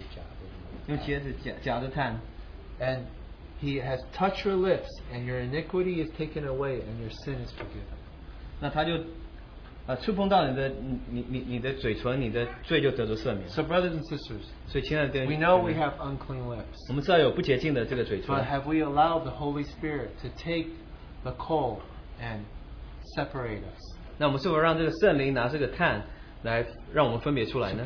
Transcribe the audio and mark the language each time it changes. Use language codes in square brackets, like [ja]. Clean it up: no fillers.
[zh] 那一个沙拉佛他就飞到我这面，就是拿着这个炭，就飞到在他手上就用夹子夹的炭。 [en] And he has touched your lips, and your iniquity is taken away, and your sin is forgiven. [zh] 那他就触碰到你的嘴唇，你的罪就得着赦免。 [en] So brothers and sisters, [zh] 所以亲爱的弟兄姊妹, [en] we know we have unclean lips. [zh] 我们知道有不洁净的这个嘴唇。 [en] But have we allowed the Holy Spirit to take the coal and separate us? [zh] 那我们是否让这个圣灵拿这个炭来让我们分别出来呢？